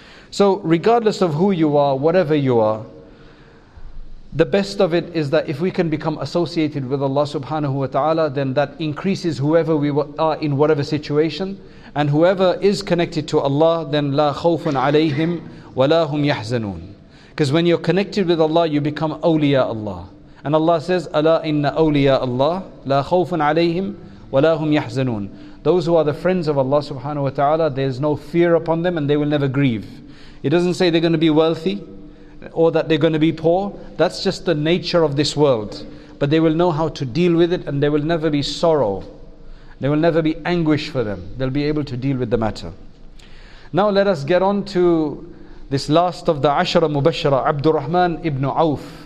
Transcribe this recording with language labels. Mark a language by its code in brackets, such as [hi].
[en] So regardless of who you are, whatever you are, the best of it is that if we can become associated with Allah subhanahu wa ta'ala, then that increases whoever we are in whatever situation. And whoever is connected to Allah, then [ar] لا خوف عليهم ولا هم يحزنون. [en] Because when you're connected with Allah, you become awliya Allah. And Allah says, [ar] ألا إن أولياء الله لا خوف عليهم وَلَا هُمْ يَحْزَنُونَ. [en] Those who are the friends of Allah subhanahu wa ta'ala, there's no fear upon them and they will never grieve. It doesn't say they're going to be wealthy or that they're going to be poor. That's just the nature of this world. But they will know how to deal with it, and there will never be sorrow. There will never be anguish for them. They'll be able to deal with the matter. Now let us get on to this last of the Ashara Mubashara, Abdurrahman ibn Auf.